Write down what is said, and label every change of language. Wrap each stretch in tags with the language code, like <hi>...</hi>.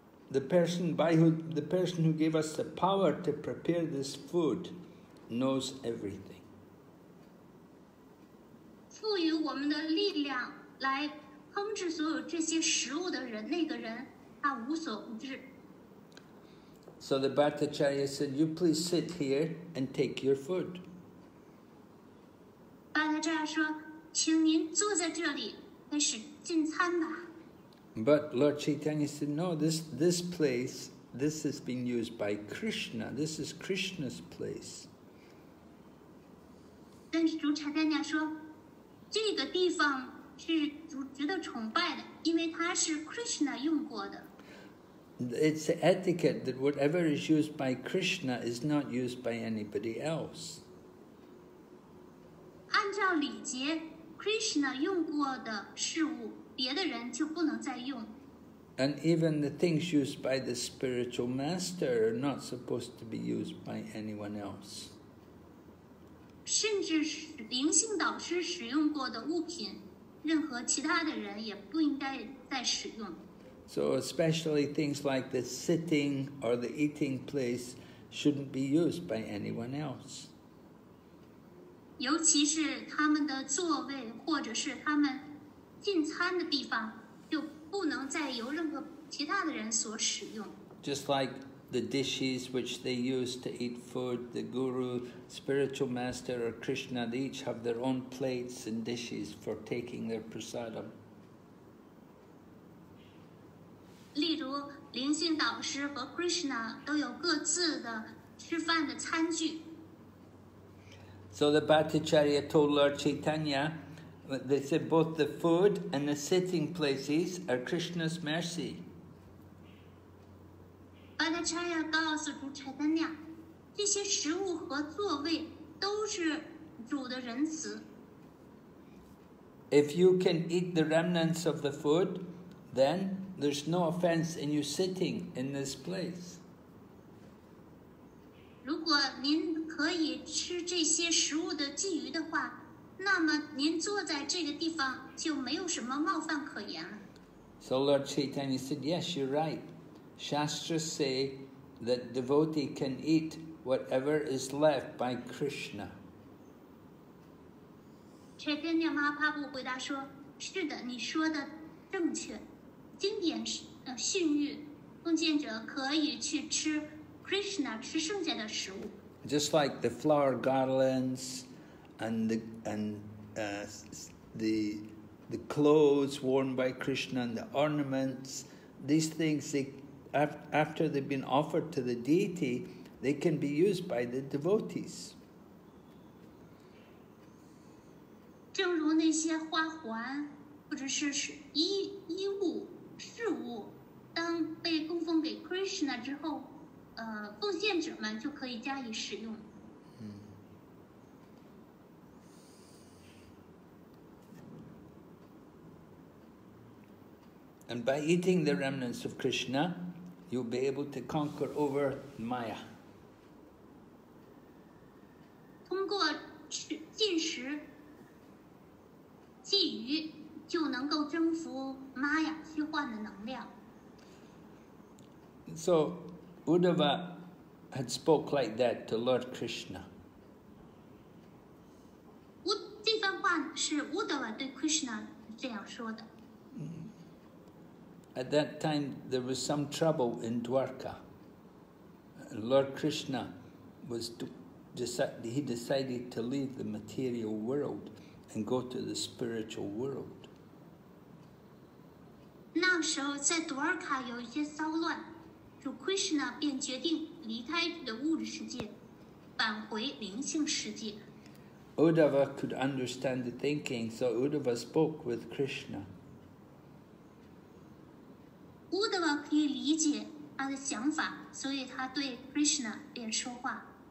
<en>The person who gave us the power to prepare this food knows everything.</en> <zh>赋予我们的力量来烹制所有这些食物的人，那个人他无所不知。</zh> <en>So the Bhattacharya said, "You please sit here and take your food."</en> <zh>巴达扎亚说，请您坐在这里开始进餐吧。</zh> <en>But Lord Chaitanya said, no, this place, this has been used by Krishna. This is Krishna's place.</en> <zh>但是主柴丹尼亚说，这个地方是值得崇拜的，因为它是 Krishna 用过的。</zh> <en>It's the etiquette that whatever is used by Krishna is not used by anybody else.</en> <zh>按照礼节 ，Krishna 用过的事物，别的人就不能再用。</zh> <en>And even the things used by the spiritual master are not supposed to be used by anyone else.</en> <zh>甚至灵性导师使用过的物品，任何其他的人也不应该再使用。</zh> <en>So especially things like the sitting or the eating place shouldn't be used by anyone else.</en> <zh>尤其是他们的座位或者是他们进餐的地方就不能再由任何其他的人所使用。</zh> <en>Just like the dishes which they use to eat food, the guru, spiritual master or Krishna, they each have their own plates and dishes for taking their prasadam.</en> <zh>例如灵性导师和 Krishna 都有各自的吃饭的餐具。</zh> <en>So the Bhattacharya told Lord Chaitanya, they said both the food and the sitting places are Krishna's mercy.</en> <zh>Bhattacharya 告诉主柴丹尼亚，这些食物和座位都是主的仁慈。</zh> <en>If you can eat the remnants of the food, then there's no offense in you sitting in this place.</en> <zh>如果您可以吃这些食物的剩余的话，那么您坐在这个地方就没有什么冒犯可言了。</zh> <en>So Lord Chaitanya said, yes, you're right. Shastras say that devotee can eat whatever is left by Krishna.</en> <zh>Chaitanya Mahaprabhu 回答说，是的，你说的正确。经典训谕，奉献者可以去吃 Krishna 吃剩下的食物。</zh> <en>Just like the flower garlands and the clothes worn by Krishna and the ornaments, these things, they, after they've been offered to the deity, they can be used by the devotees.</en> <zh>正如那些花环或者是衣物。事物当被供奉给 Krishna 之后，奉献者们就可以加以使用。</zh> <en>And by eating the remnants of Krishna, you'll be able to conquer over Maya.</en> <zh>通过进食觊觎。就能够征服玛雅虚幻的能量。</zh> <en>So, Uddhava had spoke like that to Lord Krishna.</en> <zh>这番话是 Uddhava 对 Krishna 这样说的。</zh> <en>At that time, there was some trouble in Dwarka. Lord Krishna was decided to leave the material world and go to the spiritual world.</en> <zh>那时候在多尔卡有一些骚乱，主 Krishna 便决定离开的物质世界，返回灵性世界。</zh> <en>Uddhava could understand the thinking, so Uddhava spoke with Krishna.</en> <zh>Uddhava 可以理解他的想法，所以他对 Krishna 便说话。</zh>